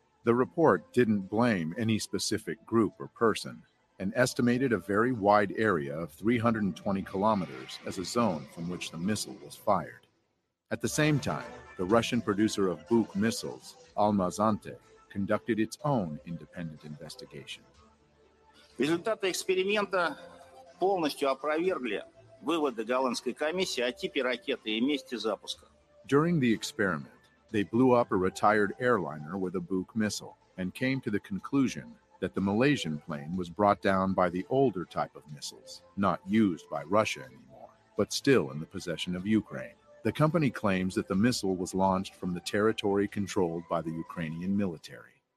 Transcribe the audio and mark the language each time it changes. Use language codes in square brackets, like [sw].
[en] The report didn't blame any specific group or person and estimated a very wide area of 320 kilometers as a zone from which the missile was fired. At the same time, the Russian producer of Buk missiles, Almazante, conducted its own independent investigation. [ru] Результаты эксперимента полностью опровергли выводы голландской комиссии о типе ракеты и месте запуска. [en] During the experiment, they blew up a retired airliner with a Buk missile and came to the conclusion that the Malaysian plane was brought down by the older type of missiles, not used by Russia anymore, but still in the possession of Ukraine. The company claims that the missile was launched from the territory controlled by the Ukrainian military.